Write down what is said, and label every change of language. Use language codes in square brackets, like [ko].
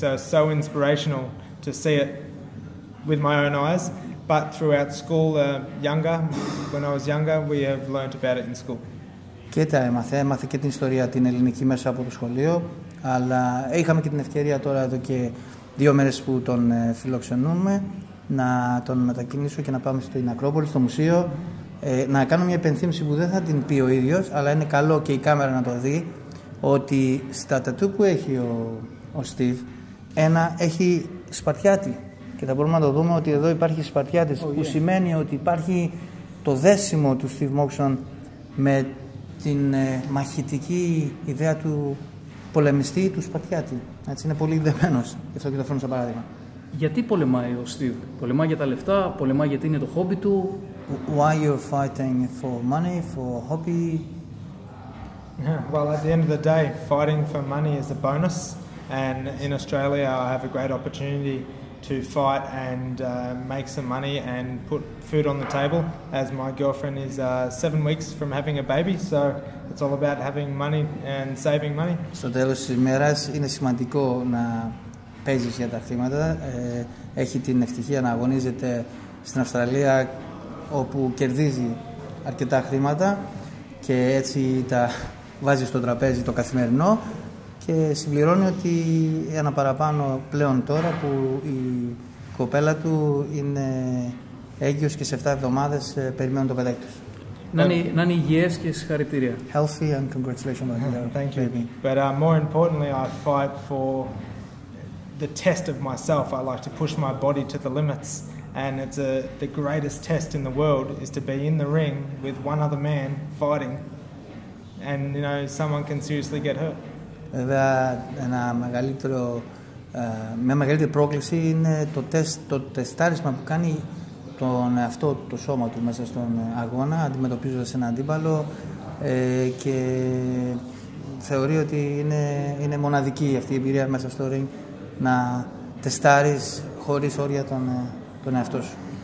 [en] So inspirational to see it with my own eyes. But throughout school, when I was younger, we have learned about it in school. [el] Και τα έμαθε και την ιστορία την ελληνική μέσα από το σχολείο, αλλά είχαμε και την ευκαιρία τώρα εδώ και δύο μέρες που τον φιλοξενούμε να τον μετακινήσω και να πάμε στην Ακρόπολη, στο μουσείο, να κάνω μια υπενθύμηση που δεν θα την πει ο ίδιος, αλλά είναι καλό και η κάμερα να το δει, ότι στα τατού που έχει ο Steve, ένα έχει σπαρτιάτη και θα μπορούμε να το δούμε ότι εδώ υπάρχει σπαρτιάτης, που σημαίνει ότι υπάρχει το δέσιμο του Steve Moxon με την μαχητική ιδέα του πολεμιστή, του σπαρτιάτη. Έτσι, είναι πολύ δεμένος, γι' αυτό και το φέρνω σαν παράδειγμα. Γιατί πολεμάει ο Steve? Πολεμάει για τα λεφτά, πολεμάει γιατί είναι το χόμπι του? [en] Why you're fighting for money, for hobby? Yeah, well, at the end of the day, fighting for money is a bonus. And in Australia, I have a great opportunity to fight and make some money and put food on the table, as my girlfriend is 7 weeks from having a baby, so it's all about having money and saving money. [el] Στο τέλος της ημέρας είναι σημαντικό να παίζεις για τα χρήματα. έχει την ευτυχία να αγωνίζεται στην Αυστραλία, όπου κερδίζει αρκετά χρήματα και έτσι τα βάζει στο τραπέζι το καθημερινό. Και συμπληρώνει ότι ένα παραπάνω πλέον τώρα που η κοπέλα του είναι έγκυος και σε 7 εβδομάδες περιμένουν το παιδάκι τους. Να είναι υγιές και συγχαρητήρια. [en] Healthy and congratulations on that. Thank you. But more importantly, I fight for the test of myself. I like to push my body to the limits. And it's the greatest test in the world is to be in the ring with one other man fighting. And you know, someone can seriously get hurt. [el] Βέβαια, ένα μεγαλύτερο, μια μεγαλύτερη πρόκληση είναι το τεστ, το τεστάρισμα που κάνει τον εαυτό, το σώμα του μέσα στον αγώνα, αντιμετωπίζοντας ένα αντίπαλο, και θεωρεί ότι είναι μοναδική αυτή η εμπειρία μέσα στο ring να τεστάρεις χωρίς όρια τον εαυτό σου.